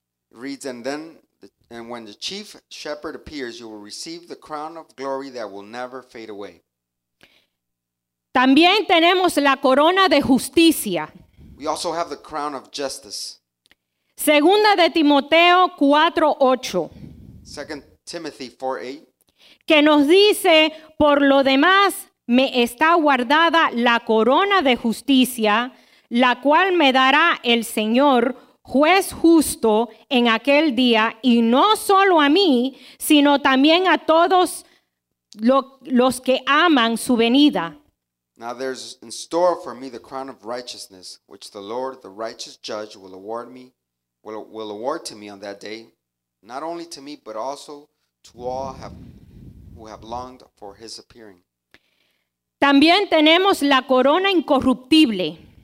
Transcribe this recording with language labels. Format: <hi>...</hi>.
<en>Reads, and when the chief shepherd appears, you will receive the crown of glory that will never fade away.</en> <es>También tenemos la corona de justicia.</es> <en>We also have the crown of justice.</en> <es>Segunda de Timoteo 4:8.</es> <en>Second Timothy 4:8.</en> <es>Que nos dice, por lo demás, me está guardada la corona de justicia, la cual me dará el Señor, juez justo, en aquel día, y no solo a mí, sino también a todos los que aman su venida.</es> <en>Now there's in store for me the crown of righteousness, which the Lord, the righteous judge, will award me. Will award to me on that day, not only to me, but also to all who have longed for his appearing.</en> <es>También tenemos la corona incorruptible.</es>